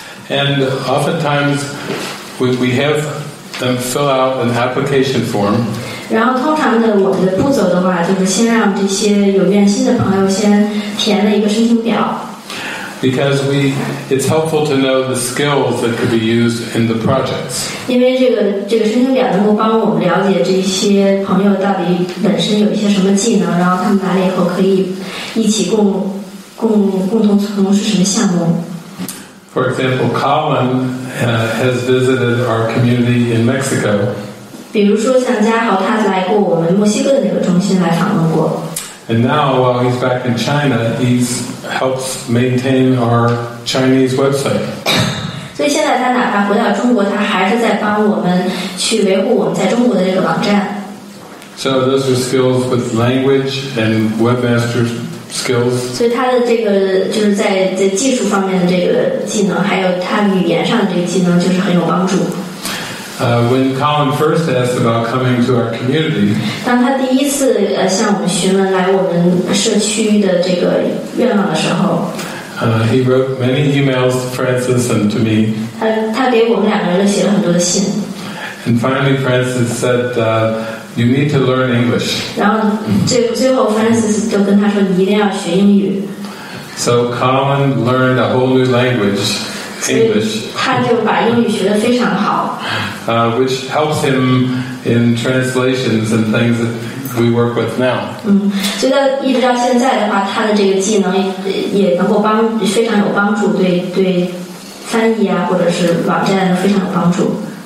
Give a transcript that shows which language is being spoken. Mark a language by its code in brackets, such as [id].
[en] And oftentimes we have them fill out an application form. [zh] 然后通常的我们的步骤的话，就是先让这些有愿心的朋友先填了一个申请表。 [en] Because we, it's helpful to know the skills that could be used in the projects. [zh] 因为这个申请表能够帮我们了解这些朋友到底本身有一些什么技能，然后他们来了以后可以一起共同从事什么项目。 [en] For example, Colin has visited our community in Mexico. [zh] 比如说像嘉豪，他来过我们墨西哥的那个中心来访问过。 [en] And now, while he's back in China, he helps maintain our Chinese website. [zh] 所以现在他哪怕回到中国，他还是在帮我们去维护我们在中国的这个网站。 [en] So those are skills with language and webmaster skills. [zh] 所以他的这个就是在技术方面的这个技能，还有他语言上的这个技能，就是很有帮助。 [en] When Colin first asked about coming to our community, [zh] 当他第一次向我们询问来我们社区的这个愿望的时候， [en] he wrote many emails to Francis and to me. [zh] 他给我们两个人写了很多的信。 [en] And finally, Francis said, "You need to learn English." [zh] 然后最后 Francis 就跟他说，你一定要学英语。 [en] So Colin learned a whole new language. English. [zh] 他就把英语学得非常好。 [en] Which helps him in translations and things that we work with now. [zh] 嗯，所以到一直到现在的话，他的这个技能也能够帮非常有帮助，对翻译啊，或者是网站非常有帮助。